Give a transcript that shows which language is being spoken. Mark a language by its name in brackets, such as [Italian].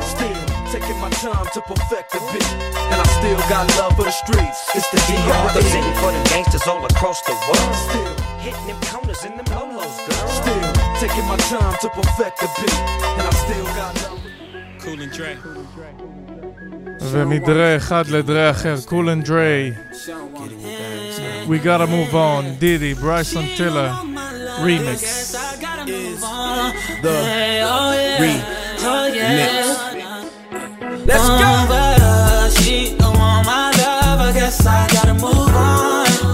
[English] Still, taking my time to perfect the beat. And I still got love for the streets, it's the D.R.E. I'm representing for them gangsters all across the world. Still, hitting them corners and them lolos, girl. Still, taking my time to perfect the beat. And I still got love for the... Cool and Dre. [Hebrew] ומדרי אחד לדרי אחר, קול אנד דרי. [English] We gotta move on, דידי, ברייסון טילר, רימיקס. The remix. Let's go! She don't want my love, I guess I gotta move on.